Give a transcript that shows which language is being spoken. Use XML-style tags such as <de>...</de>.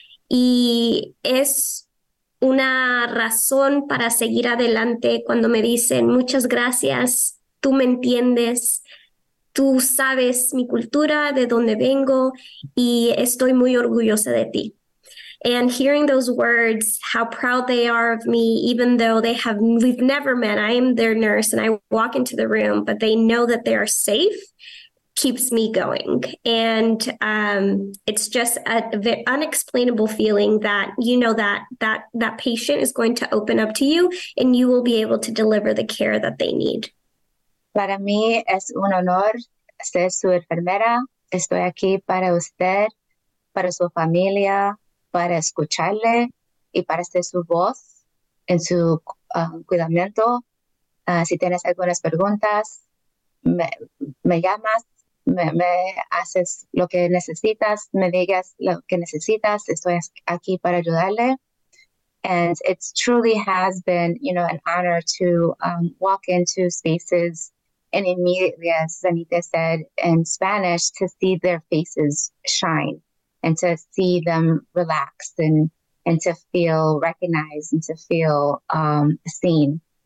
<es>Y es una razón para seguir adelante cuando me dicen muchas gracias, tú me entiendes, tú sabes mi cultura, de dónde vengo, y estoy muy orgullosa de ti.</es> <en>And hearing those words, how proud they are of me, even though we've never met, I am their nurse and I walk into the room, but they know that they are safe, keeps me going. And it's just an unexplainable feeling that that patient is going to open up to you and you will be able to deliver the care that they need.</en> <es>Para mí es un honor ser su enfermera. Estoy aquí para usted, para su familia, para escucharle y para ser su voz en su cuidamiento. Si tienes algunas preguntas, me llamas, me haces lo que necesitas, me digas lo que necesitas, estoy aquí para ayudarle.</es> <en>And it truly has been, an honor to walk into spaces and immediately, as Anita said, in Spanish, to see their faces shine. And to see them relax and to feel recognized and to feel seen.</en>